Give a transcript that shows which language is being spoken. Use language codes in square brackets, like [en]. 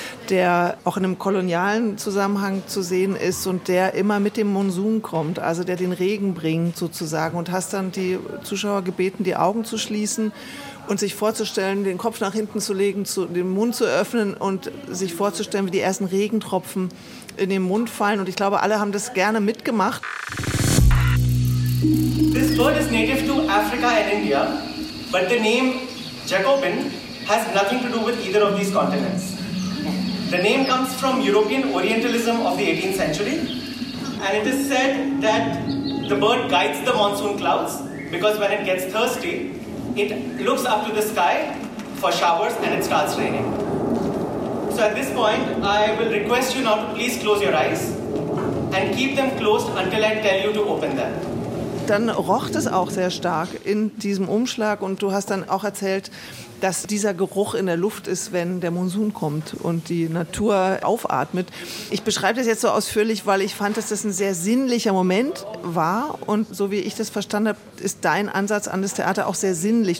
[de] der auch in einem kolonialen Zusammenhang zu sehen ist und der immer mit dem Monsun kommt, also der den Regen bringt sozusagen, und hast dann die Zuschauer gebeten, die Augen zu schließen und sich vorzustellen, den Kopf nach hinten zu legen, den Mund zu öffnen und sich vorzustellen, wie die ersten Regentropfen in den Mund fallen. Und ich glaube, alle haben das gerne mitgemacht. [en] This bird is native to Africa and India, but the name Jacobin has nothing to do with either of these continents. The name comes from European Orientalism of the 18th century, and it is said that the bird guides the monsoon clouds, because when it gets thirsty, it looks up to the sky for showers and it starts raining. So at this point, I will request you now to please close your eyes and keep them closed until I tell you to open them. [de] Dann roch es auch sehr stark in diesem Umschlag, und du hast dann auch erzählt, dass dieser Geruch in der Luft ist, wenn der Monsun kommt und die Natur aufatmet. Ich beschreibe das jetzt so ausführlich, weil ich fand, dass das ein sehr sinnlicher Moment war. Und so wie ich das verstanden habe, ist dein Ansatz an das Theater auch sehr sinnlich.